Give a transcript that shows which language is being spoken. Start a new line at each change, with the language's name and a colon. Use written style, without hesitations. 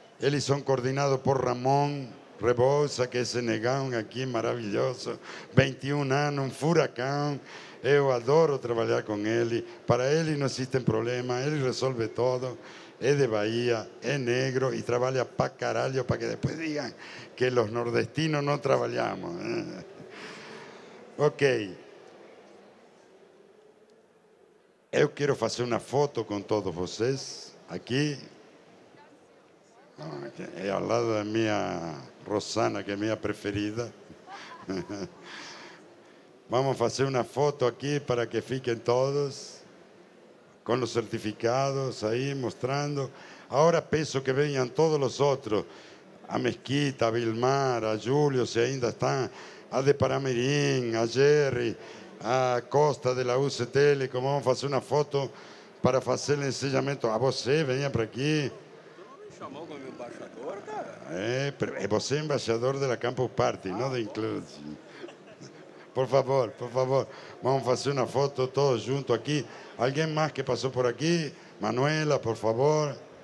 Portuguese: Eles são coordenados por Ramon Rebouça, que é senegão aqui, maravilhoso, 21 anos, um furacão, eu adoro trabalhar com ele, para ele não existem problemas, ele resolve tudo, é de Bahia, é negro e trabalha pra caralho, para que depois digam que os nordestinos não trabalhamos. Ok. Eu quero fazer uma foto com todos vocês aqui. É ao lado da minha Rosana, que é minha preferida.
Spanish: Vamos a hacer una foto aquí para que fiquen todos con los certificados ahí mostrando. Ahora peço que vengan todos los otros, a Mezquita, a Vilmar, a Julio, si ainda están, a De Paramirim, a Jerry, a Costa de la UCTL, como vamos a hacer una foto para hacer el enseñamiento. A vos, venía por aquí.
Portuguese: Você é embaixador da Campus Party, não da Include. Por favor, por favor. Vamos fazer uma foto todos juntos aqui. Alguém mais que passou por aqui? Manuela, por favor.